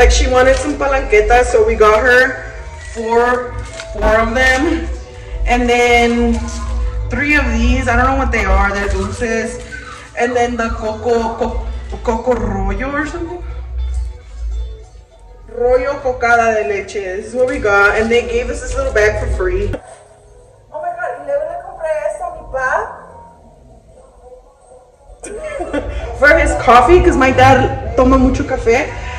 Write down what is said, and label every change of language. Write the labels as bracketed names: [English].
[English] Wanted some palanquetas, so we got her four of them, and then three of these. I don't know what they are. They're dulces. And then the coco rollo or something. [Spanish] Rollo cocada de leche. [English] This is what we got. And they gave us this little bag for free. Oh my god, [Spanish] ¿y luego le compré esto a mi pa? [English] For his coffee, because my dad [Spanish] toma mucho café.